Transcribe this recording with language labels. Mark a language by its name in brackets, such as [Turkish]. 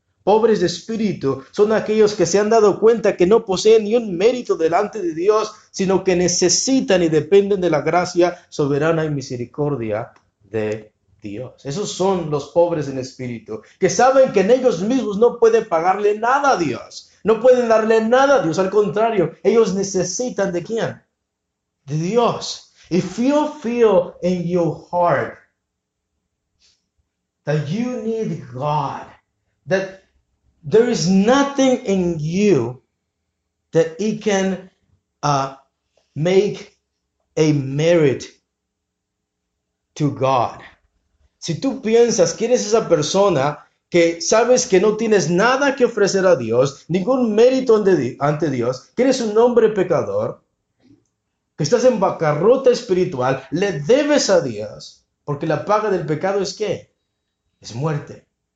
[Spanish] Pobres de espíritu son aquellos que se han dado cuenta que no poseen ni un mérito delante de Dios, sino que necesitan y dependen de la gracia soberana y misericordia de Dios. Esos son los pobres en espíritu, que saben que en ellos mismos no pueden pagarle nada a Dios. No pueden darle nada a Dios, al contrario, ellos necesitan ¿de quién? De Dios. [English] If you feel in your heart that you need God, that there is nothing in you that he can make a merit to God. [Spanish] Si tú piensas, ¿quieres esa persona? Que sabes que no tienes nada que ofrecer a Dios, ningún mérito ante Dios, que eres un hombre pecador, que estás en bancarrota espiritual, le debes a Dios, porque la paga del pecado es ¿qué? Es muerte.